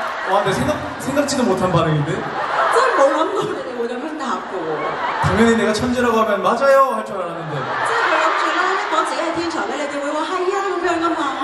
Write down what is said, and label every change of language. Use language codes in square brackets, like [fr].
[ko] 와, 근데 생각지도 못한 반응인데? [yue] 真係冇諗過你哋會咁樣答嘅喎。 [ko] 당연히 내가 천재라고 하면 맞아요 할 줄 알았는데. [yue] 即係佢諗住啦，如果自己係天才咧，你哋會話係啊咁樣噶嘛。